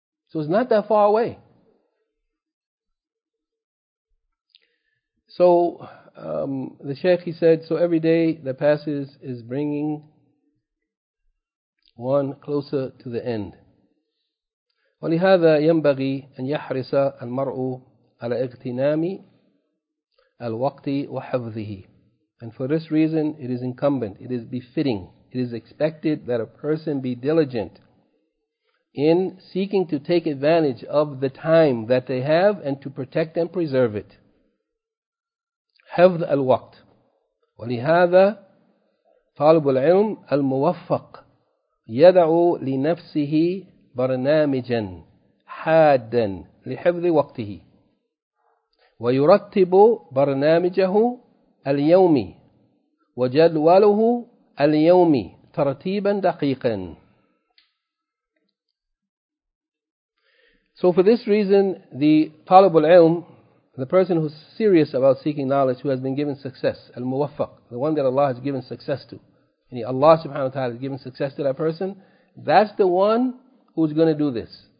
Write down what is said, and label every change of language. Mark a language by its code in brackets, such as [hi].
[en] So it's not that far away. So the Shaykh, he said, so every day that passes is bringing one closer to the end. [ar] ولهذا ينبغي أن يحرص المرء على اغتنام الوقت وحفظه. [en] And for this reason, it is incumbent, it is befitting, it is expected that a person be diligent in seeking to take advantage of the time that they have and to protect and preserve it. [ar] حفظ الوقت. ولهذا طالب العلم الموفق يدع لنفسه برنامجا حادا لحفظ وقته ويرتب برنامجه اليومي وجدوله اليومي ترتيبا دقيقا. [en] So for this reason, the طالب العلم, the person who's serious about seeking knowledge, who has been given success, المُوَفَّق, the one that Allah has given success to, and Allah subhanahu wa ta'ala has given success to that person, that's the one who's going to do this.